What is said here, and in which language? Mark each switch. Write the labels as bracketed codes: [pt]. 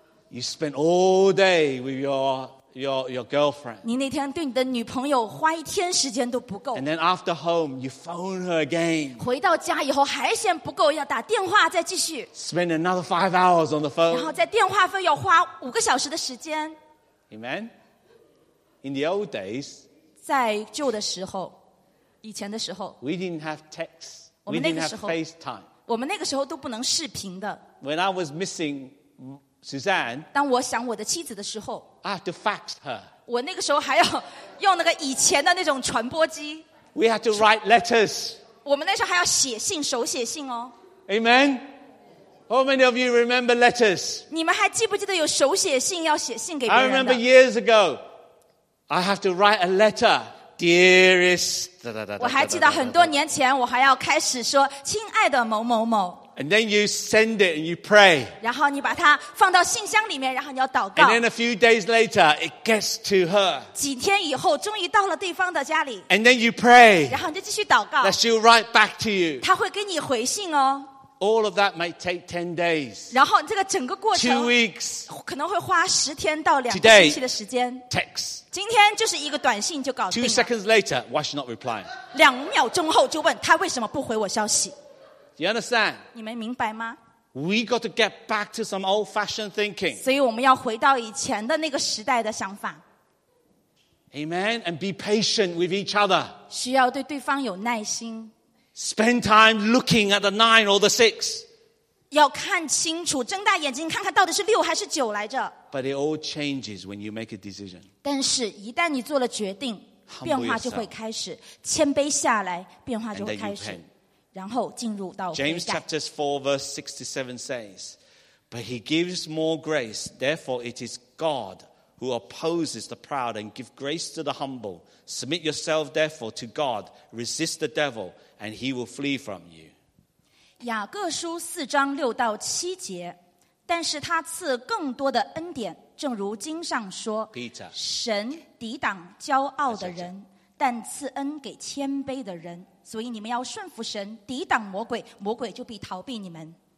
[en] You spent all day with your girlfriend. [zh] 你那天对你的女朋友花一天时间都不够。 [en] And then after home, you phone her again. [zh] 回到家以后还嫌不够，要打电话再继续。 [en] Spend another 5 hours on the phone. [zh] 然后在电话费要花5个小时的时间。 [en] Amen. In the old days, [zh] 在旧的时候，以前的时候 [en] ，we didn't have text. [zh] 我们那个时候 [en] ，we didn't have FaceTime. [zh] 我们那个时候都不能视频的。 [en] When I was missing. Suzanne, [zh] 当我想我的妻子的时候 [en] I have to fax her. [zh] 我那个时候还要用那个以前的那种传播机 [en] We have to write letters. [zh] 我们那时候还要写信手写信哦 [en] Amen. How many of you remember letters? [zh] 你们还记不记得有手写信要写信给别人 [en] 的 I remember years ago, I have to write a letter, dearest. [zh] 我还记得很多年前我还要开始说亲爱的某某某 [en] And then you send it and you pray. [zh] 然后你把它放到信箱里面，然后你要祷告。 [en] And then a few days later, it gets to her. [zh] 几天以后，终于到了对方的家里。 [en] And then you pray. [zh] 然后你就继续祷告。 [en] That she'll write back to you. [zh] 她会给你回信哦。 [en] All of that might take 10 days. [zh] 然后这个整个过程 [en] 2 weeks. [zh] 可能会花10天到2个星期的时间。 [en] Today, text. [zh] 今天就是一个短信就搞定了。 [en] 2 seconds later, why she not replying? [zh] 2秒钟后就问她为什么不回我消息。 [en] You understand? [zh] 你们明白吗? [en] We got to get back to some old-fashioned thinking. [zh] 所以我们要回到以前的那个时代的想法。 [en] Amen. And be patient with each other. [zh] 需要对对方有耐心。 [en] Spend time looking at the 9 or the 6. [zh] 要看清楚，睁大眼睛看看到底是6还是9来着。 [en] But it all changes when you make a decision. [zh] 但是一旦你做了决定，变化就会开始。谦卑下来，变化就会开始。然后进入到悔改。 [en] James chapter 4 verse 67 says, But he gives more grace, therefore it is God who opposes the proud and gives grace to the humble. Submit yourself therefore to God, resist the devil, and he will flee from you. [zh] 雅各书4:6-7，但是他赐更多的恩典，正如经上说， [en] Peter, [zh] 神抵挡骄傲的人，但赐恩给谦卑的人。所以你们要顺服神，抵挡魔鬼，魔鬼就必逃避你们。